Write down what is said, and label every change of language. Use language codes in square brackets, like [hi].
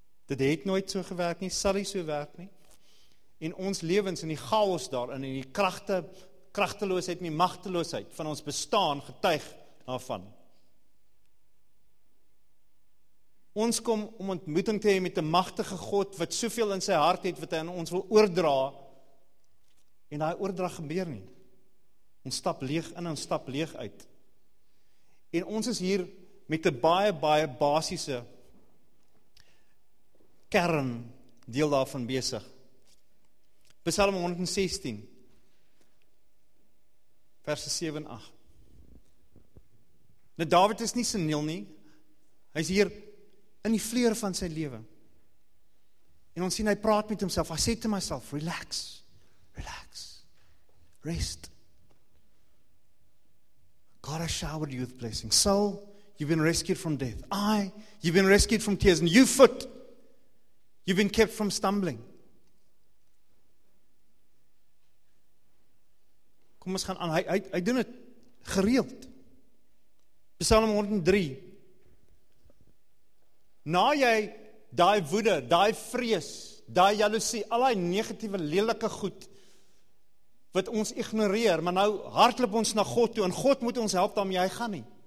[af] Dit het nooit so gewerk nie, sal nie so werk nie. En ons lewens in die chaos daarin en die krachteloosheid en die machteloosheid van ons bestaan getuig daarvan. Ons kom om ontmoeting te hê met 'n magtige God wat soveel in sy hart het wat hy aan ons wil oordra en daai oordrag gebeur nie. Ons stap leeg in en stap leeg uit. En ons is hier met 'n baie baie basiese kern deel daarvan besig. Psalm 116 verse 7 en 8. Nou David is nie seniel nie. Hy is hier in die vleer van sy lewe. En ons sien, hy praat met homself, hy sê [en] to myself, relax, relax, rest. God has showered you with blessings. Soul, you've been rescued from death. Eye, you've been rescued from tears. And you foot, you've been kept from stumbling. [af] Kom ons gaan aan, hy doen het gereeld. Psalm 103, na jy die woede, die vrees, die jaloesie, al die negatieve, lelike goed, wat ons ignoreer, maar nou hardloop ons na God toe, en God moet ons help daarmee, hy gaan nie.